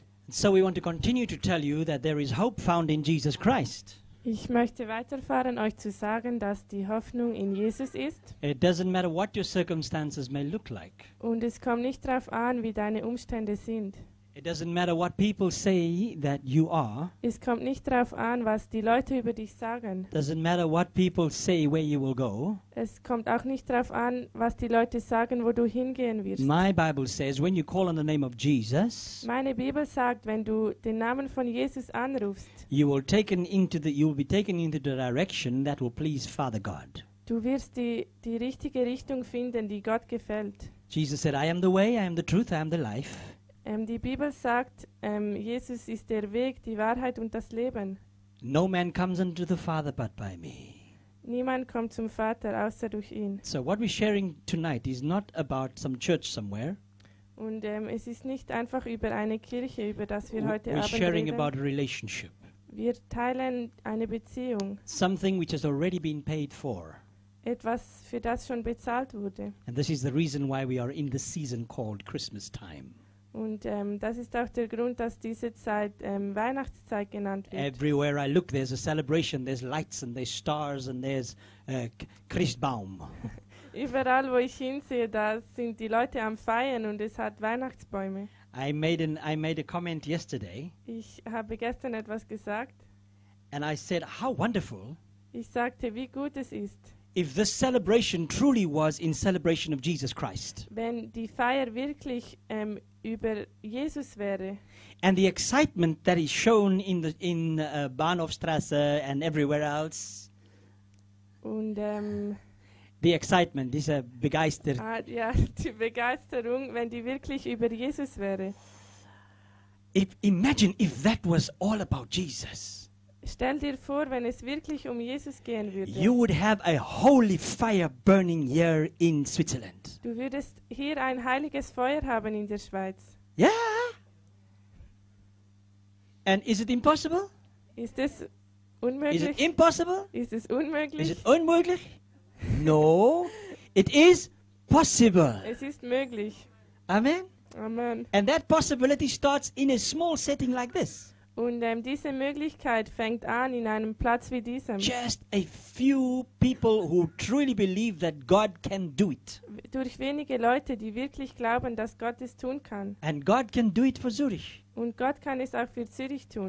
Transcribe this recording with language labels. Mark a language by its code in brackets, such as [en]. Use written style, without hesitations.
[en] So we want to continue to tell you that there is hope found in Jesus Christ. [de] Ich möchte weiterfahren, euch zu sagen, dass die Hoffnung in Jesus ist. [en] It doesn't matter what your circumstances may look like. [de] Und es kommt nicht darauf an, wie deine Umstände sind. [en] It doesn't matter what people say that you are. [de] Es kommt nicht darauf an, was die Leute über dich sagen. [en] Doesn't matter what people say where you will go. [de] Es kommt auch nicht darauf an, was die Leute sagen, wo du hingehen wirst. [en] My Bible says, when you call on the name of Jesus. [de] Meine Bibel sagt, wenn du den Namen von Jesus anrufst. [en] You will be taken into the direction that will please Father God. [de] Du wirst die richtige Richtung finden, die Gott gefällt. [en] Jesus said, I am the way, I am the truth, I am the life. [de] Die Bibel sagt, Jesus ist der Weg, die Wahrheit und das Leben. [en] No man comes unto the Father but by me. [de] Niemand kommt zum Vater außer durch ihn. [en] So what we're sharing tonight is not about some church somewhere. [de] Und es ist nicht einfach über eine Kirche, über das wir heute Abend reden. [en] We're sharing about a relationship. [de] Wir teilen eine Beziehung. [en] Something which has already been paid for. [de] Etwas, für das schon bezahlt wurde. [en] And this is the reason why we are in the season called Christmas time. [de] Und das ist auch der Grund, dass diese Zeit Weihnachtszeit genannt wird. [en] Everywhere I look, there's a celebration, there's lights and there's stars and there's Christbaum. [de] Überall, wo ich hinsehe, da sind die Leute am Feiern und es hat Weihnachtsbäume. [en] I made a comment yesterday. [de] Ich habe gestern etwas gesagt. [en] And I said, how wonderful. [de] Ich sagte, wie gut es ist. [en] If this celebration truly was in celebration of Jesus Christ. [de] Wenn die Feier wirklich über Jesus wäre. [en] And the excitement that is shown in Bahnhofstrasse and everywhere else. [de] Und [en] the excitement, [de] diese Begeisterung. Ja, die Begeisterung, wenn die wirklich über Jesus wäre. [en] Imagine if that was all about Jesus. [de] Stell dir vor, wenn es wirklich Jesus gehen würde. [en] You would have a holy fire burning here in Switzerland. [de] Du würdest hier ein heiliges Feuer haben in der Schweiz. [en] Yeah. And is it impossible? [de] Ist es unmöglich? [en] Is it impossible? [de] Ist es unmöglich? [en] Is it unmöglich? No, it is possible. [de] Es ist möglich. [en] Amen. [de] Amen. [en] And that possibility starts in a small setting like this. [de] Und diese Möglichkeit fängt an in einem Platz wie diesem. [en] Just a few people who truly believe that God can do it. [de] Durch wenige Leute, die wirklich glauben, dass Gott es tun kann. [en] And God can do it for Zürich. [de] Und Gott kann es auch für Zürich tun.